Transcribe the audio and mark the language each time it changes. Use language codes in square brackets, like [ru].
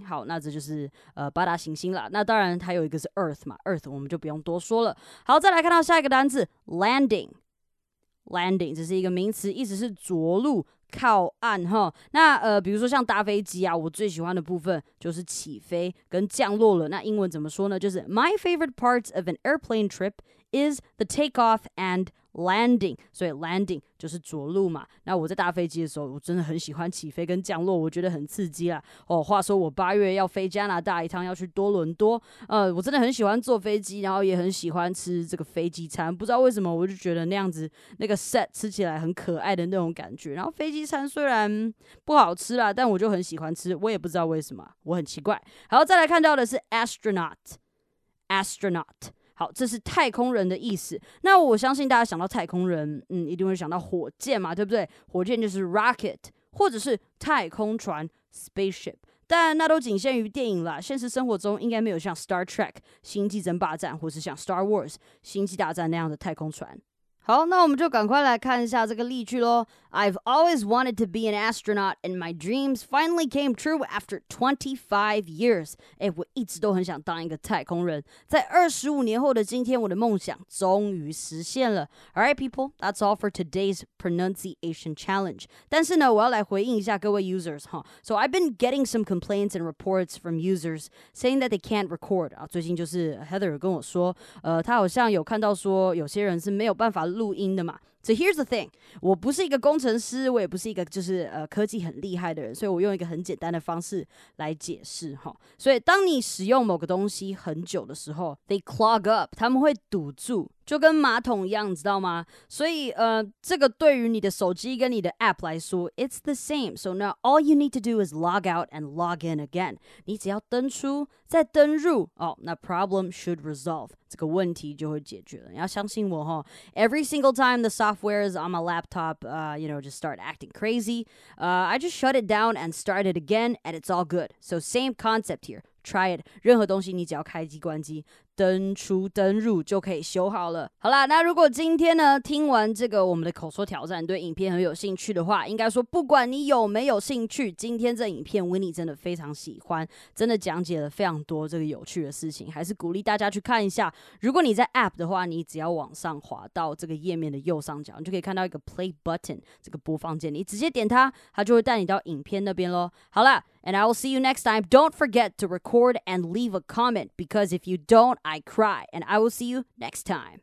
[zh] 好，那这就是八大行星啦。那当然他有一个是 Earth 嘛， Earth 我们就不用多说了。好，再来看到下一个单字 Landing， 这是一个名词，意思是着陆、靠岸哈。那比如说像搭飞机啊，我最喜欢的部分就是起飞跟降落了。那英文怎么说呢？就是 [en] My favorite part of an airplane trip is the takeoff and landing， [zh] 所以 landing 就是着陆嘛。那我在搭飞机的时候，我真的很喜欢起飞跟降落，我觉得很刺激啦。哦，话说我八月要飞加拿大一趟，要去多伦多。我真的很喜欢坐飞机，然后也很喜欢吃这个飞机餐。不知道为什么，我就觉得那样子那个 set 吃起来很可爱的那种感觉。然后飞机餐虽然不好吃啦，但我就很喜欢吃，我也不知道为什么，我很奇怪。好，再来看到的是 astronaut。好，这是太空人的意思。那我相信大家想到太空人，一定会想到火箭嘛，对不对？火箭就是 rocket， 或者是太空船 spaceship。但那都仅限于电影啦，现实生活中应该没有像 Star Trek 星际争霸战，或是像 Star Wars 星际大战那样的太空船。好，那我们就赶快来看一下这个例句咯。 [en] I've always wanted to be an astronaut and my dreams finally came true after 25 years. [zh] 诶，我一直都很想当一个太空人。在25年后的今天，我的梦想终于实现了。 [en] All right, people, that's all for today's pronunciation challenge. [zh] 但是呢，我要来回应一下各位 users, 哈。 [en] So I've been getting some complaints and reports from users saying that they can't record. [zh] 啊，最近就是 Heather 跟我说，她好像有看到说有些人是没有办法录音的嘛。 [en] So here's the thing， [zh] 我不是一个工程师，我也不是一个就是科技很厉害的人，所以我用一个很简单的方式来解释哈。所以当你使用某个东西很久的时候 ， [en] they clog up， [zh] 他们会堵住，就跟马桶一样，知道吗？所以这个对于你的手机跟你的 app 来说 ， [en] it's the same。 So now all you need to do is log out and log in again。 [zh] 你只要登出再登入哦，那 [en] problem should resolve， [zh] 这个问题就会解决了。你要相信我哈 ， [en] every single time the software is on my laptop, just start acting crazy. I just shut it down and start it again, and it's all good. So same concept here. Try it. [zh] 任何东西你只要开机关机，登出登入就可以修好了。好啦，那如果今天呢听完这个我们的口说挑战对影片很有兴趣的话，应该说不管你有没有兴趣，今天这影片 Winnie 真的非常喜欢，真的讲解了非常多这个有趣的事情，还是鼓励大家去看一下。如果你在 App 的话，你只要往上滑到这个页面的右上角，你就可以看到一个 Play Button 这个播放键，你直接点它，它就会带你到影片那边咯。好啦， [en] And I will see you next time. Don't forget to record and leave a comment, because if you don't, I cry, and I will see you next time.